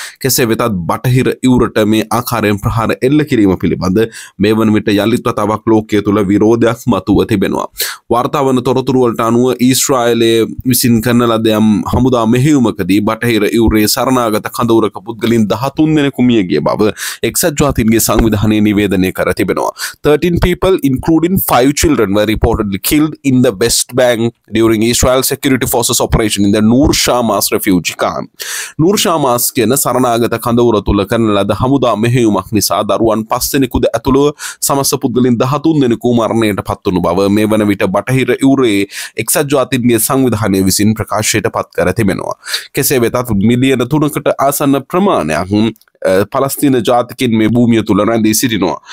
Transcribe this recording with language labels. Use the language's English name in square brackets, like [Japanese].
[Sinhala] කෙසේ වෙතත් බටහිර ඉවුරට මේ ආකාරයෙන් ප්‍රහාර එල්ල කිරීම පිළිබඳ මේ වන විට යලිත් වතාවක් ලෝකයේ තුල විරෝධයක් මතුව තිබෙනවා. වාර්තා වන තොරතුරු වලට අනුව ඊශ්‍රායලයේ විසින් කරන ලද යම් හමුදා මෙහෙයුමකදී බටහිර ඉවුරේ සරණාගත කඳවුරක පුද්ගලින් 13 දෙනෙකු මිය ගිය බව එක්සත් ජාතීන්ගේ සංවිධානය නිවේදනය කර තිබෙනවා. [English] 13 people including 5 children were reportedly killed in the West Bank during Israel security forces operation in the Nur Shamas refugee camp. [Sinhala] Nur Shamas කියන සරණාගත කඳවුර තුල කරන ලද හමුදා මෙහෙයුමක් නිසා දරුවන් 5 දෙනෙකුද ඇතුළු සමස්ත පුද්ගලින් 13 දෙනෙකු මරණයට පත්වුණු බව මේ වන විට බටහිර ඉවුරේ එක්සත් ජාතීන්ගේ සංවිධානය විසින් ප්‍රකාශයට පත් කර තිබෙනවා. කෙසේ වෙතත් මිලියන 3කට ආසන්න ප්‍රමාණයක් පලස්තීන ජාතිකින් මේ භූමිය තුල රැඳී සිටිනවා.